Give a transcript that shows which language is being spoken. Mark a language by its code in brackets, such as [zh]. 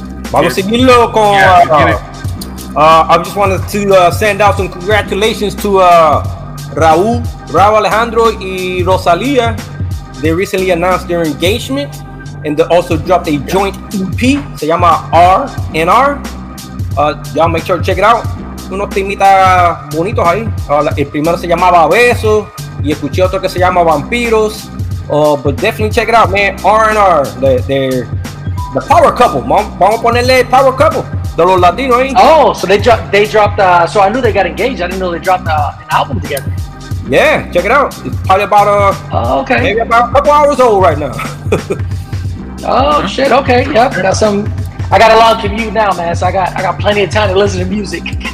[es] Vamos a seguir loco. [en] I just wanted to send out some congratulations to Raúl Alejandro y Rosalía. They recently announced their engagement and they also dropped a joint EP. [es] Se llama R&R. [en] Y'all make sure to check it out. [es] unos temitas bonitos ahí. El primero se llamaba Beso y escuché otro que se llama Vampiros. [en] But definitely check it out, man. R&R, the power couple. [es] Vamos a ponerle [en] power couple [es] de los latinos ahí. [en] Oh, so they dropped, so I knew they got engaged. I didn't know they dropped an album together. Yeah, check it out. It's probably about maybe about a couple hours old right now. Oh shit, okay, yep. I got a long commute now, man, so I got plenty of time to listen to music.